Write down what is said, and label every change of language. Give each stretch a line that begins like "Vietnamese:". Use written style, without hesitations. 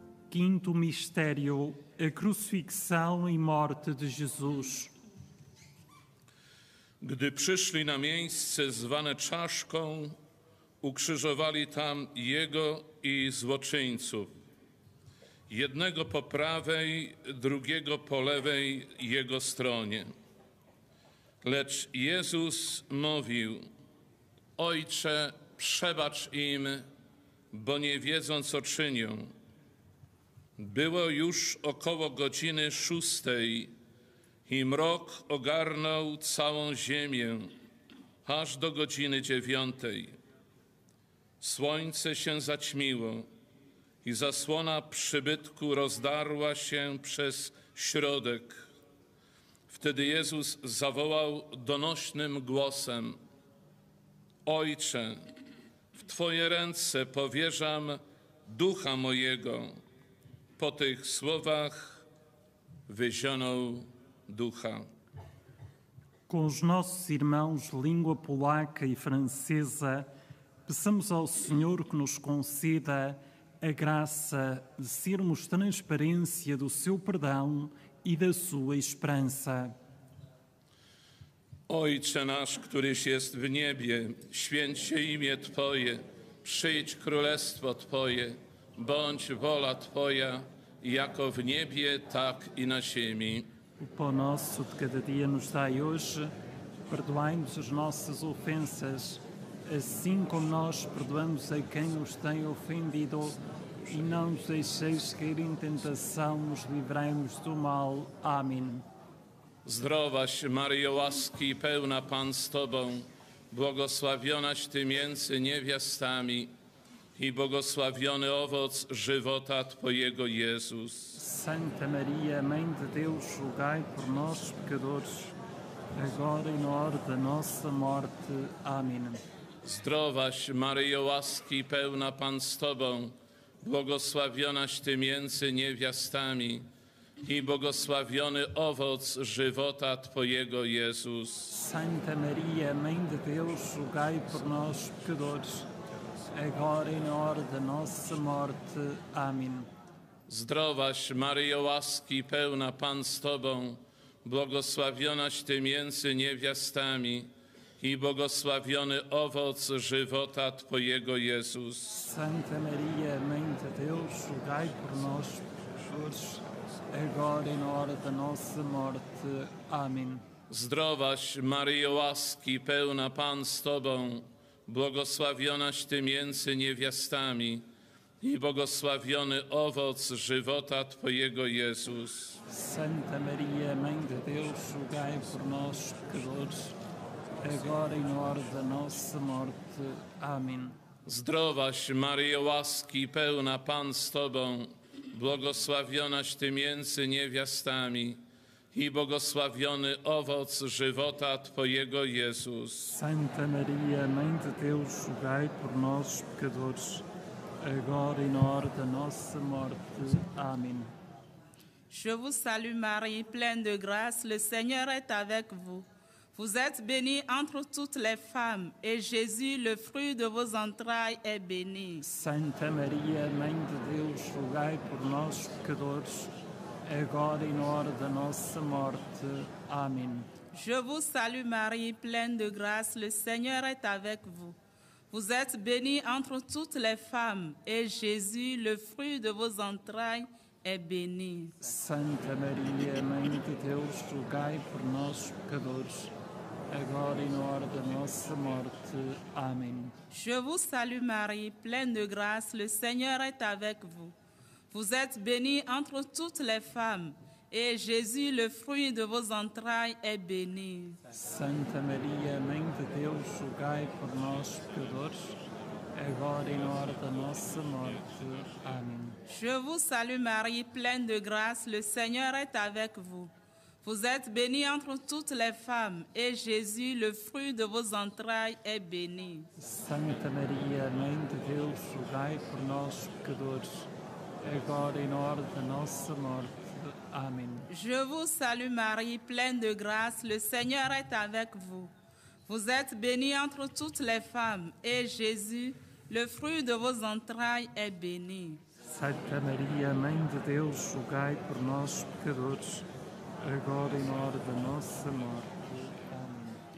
Portuguese: Quinto mistério, a crucifixão e morte de Jesus.
Polish: Gdy przyszli na miejsce zwane czaszką, ukrzyżowali tam Jego i złoczyńców, jednego po prawej, drugiego po lewej Jego stronie. Lecz Jezus mówił: Ojcze, przebacz im, bo nie wiedzą, co czynią. Było już około godziny szóstej i mrok ogarnął całą ziemię, aż do godziny dziewiątej. Słońce się zaćmiło i zasłona przybytku rozdarła się przez środek. Wtedy Jezus zawołał donośnym głosem: Ojcze, w Twoje ręce powierzam ducha mojego. Po tych słowach wyzionął ducha.
Portuguese: Com os nossos irmãos de língua polaca e francesa, peçamos ao Senhor que nos conceda a graça de sermos transparência do seu perdão e da sua esperança.
Polish: Ojcze nasz, któryś jest w niebie, święć się imię Twoje, przyjdź królestwo Twoje, bądź wola Twoja, jako w niebie, tak i na ziemi.
Portuguese: O pão nosso de cada dia nos dai hoje, perdoai-nos as nossas ofensas, assim como nós perdoamos a quem nos tem ofendido, e não nos deixeis cair em tentação, nos livrai-nos do mal. Amém.
Polish: Zdrowaś, Maryjo, łaski pełna, Pan z Tobą, błogosławionaś Ty między niewiastami i błogosławiony owoc żywota Twojego, Jezus.
Portuguese: Santa Maria, Mãe de Deus, rogai por nós, pecadores, agora e na hora da nossa morte. Amém.
Polish: Zdrowaś, Maryjo, łaski pełna, Pan z Tobą, błogosławionaś Ty między niewiastami i błogosławiony owoc żywota Twojego, Jezus.
Portuguese: Santa Maria, Mãe de Deus, rogai por nós, pecadores, agora e na hora da nossa morte. Amém.
Polish: Zdrowaś, Maryjo, łaski pełna, Pan z Tobą, błogosławionaś Ty między niewiastami i błogosławiony owoc żywota Twojego, Jezus.
Portuguese: Santa Maria, Mãe de Deus, rogai por nós, pecadores, agora e na hora da nossa morte. Amém.
Polish: Zdrowaś, Maryjo, łaski pełna, Pan z Tobą, błogosławionaś Ty między niewiastami i błogosławiony owoc żywota Twojego, Jezus.
Portuguese: Santa Maria, Mãe de Deus, rogai por nós, pecadores, agora e na hora da nossa morte. Amém.
Polish: Zdrowaś, Maryjo, łaski pełna, Pan z Tobą, błogosławionaś Ty między niewiastami i błogosławiony owoc żywota Twojego, Jezus.
Portuguese: Santa Maria, Mãe de Deus, rogai por nós, pecadores, agora e na hora da nossa morte. Amém.
French: Je vous salue, Marie, pleine de grâce, le Seigneur est avec vous. Vous êtes bénie entre toutes les femmes, et Jésus, le fruit de vos entrailles, est béni.
Portuguese: Santa Maria, Mãe de Deus, rogai por nós, pecadores, agora e na hora da nossa morte. Amém.
French: Je vous salue, Marie, pleine de grâce, le Seigneur est avec vous. Vous êtes bénie entre toutes les femmes, et Jésus, le fruit de vos entrailles, est béni.
Portuguese: Santa Maria, Mãe de Deus, rogai por nós, pecadores, agora e na hora da nossa morte. Amém.
French: Je vous salue, Marie, pleine de grâce, le Seigneur est avec vous. Vous êtes bénie entre toutes les femmes, et Jésus, le fruit de vos entrailles, est béni.
Portuguese: Santa Maria, Mãe de Deus, rogai por nós, pecadores, agora e na hora da nossa morte. Amém.
French: Je vous salue, Marie, pleine de grâce, le Seigneur est avec vous. Vous êtes bénie entre toutes les femmes, et Jésus, le fruit de vos entrailles, est béni.
Portuguese: Santa Maria, Mãe de Deus, rogai por nós, pecadores, agora e na hora da nossa morte. Amém.
French: Je vous salue, Marie, pleine de grâce, le Seigneur est avec vous. Vous êtes bénie entre toutes les femmes, et Jésus, le fruit de vos entrailles, est béni.
Portuguese: Santa Maria, Mãe de Deus, rogai por nós, pecadores, agora e na hora da nossa morte.